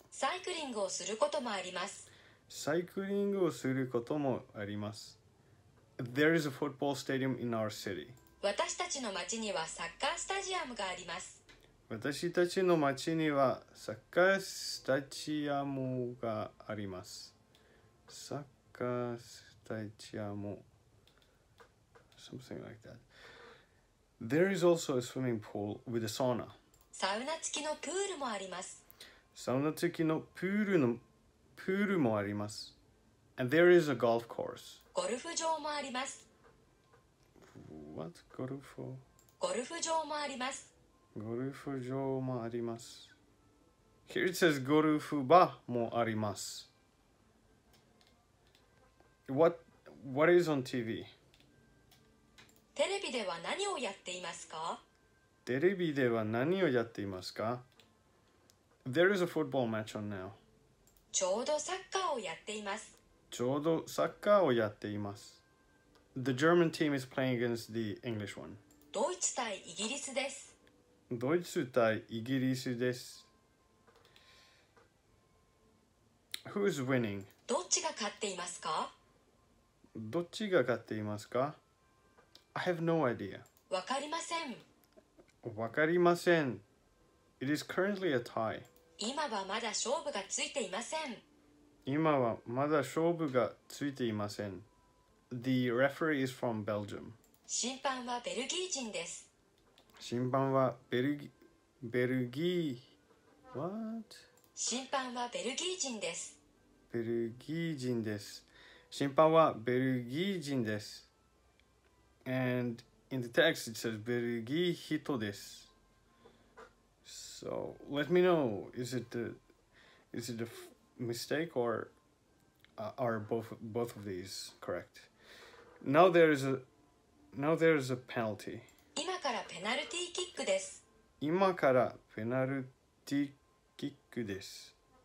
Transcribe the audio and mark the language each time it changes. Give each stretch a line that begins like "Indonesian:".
Japanese: サイクリングをすることもあります。サイクリングをすることもあります。
English: There is a football stadium in our city.
Japanese: 私たちの町にはサッカースタジアムがあります。私たちの町にはサッカースタジアムがあります。
English: サッカースタジアム。Something like that. There is also a swimming pool with a sauna.
Japanese: サウナ付きのプールもあります。サウナ付きのプールもあります。
English: And there is a golf course.
Japanese: ゴルフ場もあります。
English: What? ゴルフ？
Japanese: ゴルフ場もあります。ゴルフ場もあります。
English: Here it says
Japanese: ゴルフ場もあります。
English: What is on TV?
Japanese: テレビでは何をやっていますか？テレビでは何をやっていますか？
English: There is a football match on now.
Japanese: ちょうどサッカーをやっています。ちょうどサッカーをやっています。
English: The German team is playing against the English one.
Japanese: ドイツ対イギリスです。ドイツ対イギリスです。
English: Who is winning?
Japanese: どっちが勝っていますか？どっちが勝っていますか？
English: I have no idea.
Japanese: わかりません。わかりません。
English: It is currently a tie.
Japanese: 今はまだ勝負がついていません。今はまだ勝負がついていません。
English: The referee is from Belgium.
Japanese: 審判はベルギー人です。審判はベルギー。
English: What?
Japanese: 審判はベルギー人です。ベルギー人です。審判はベルギー人です。
English: And in the text it says
Japanese: ベルギー人です。
English: So let me know, is it a mistake or are both of these correct? Now there is a penalty.
Japanese: 今からペナルティーキックです。今からペナルティーキックです。